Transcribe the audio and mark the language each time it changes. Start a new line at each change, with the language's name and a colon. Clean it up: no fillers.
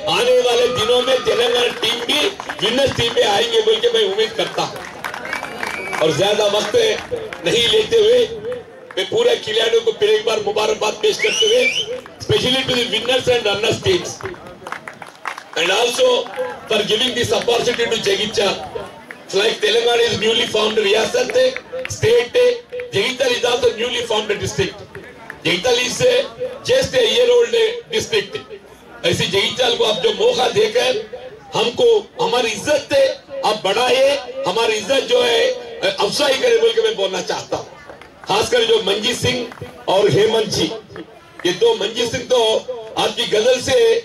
Hindi: आने वाले दिनों में तेलंगाना टीम भी विनर्स टीम में आएंगे बोल के मैं उम्मीद करता हूं. और ज्यादा वक्त नहीं लेते हुए मैं पूरे खिलाड़ियों को फिर एक बार मुबारकबाद पेश करते हुए
English: Specially to the winners and runners teams and also for giving this opportunity to Jagtial. Like Telangana is newly formed riyasat state, Jagital is also newly formed district. Jagital is just a year old district.
Hindi: ऐसे जगीताल को आप जो मौका देकर हमको हमारी इज्जत आप बढ़ाए, हमारी इज्जत जो है अफसाई करे बोल के मैं बोलना चाहता हूँ. खासकर जो मंजीत सिंह और हेमंत जी, ये दो मंजीत सिंह तो आपकी गजल से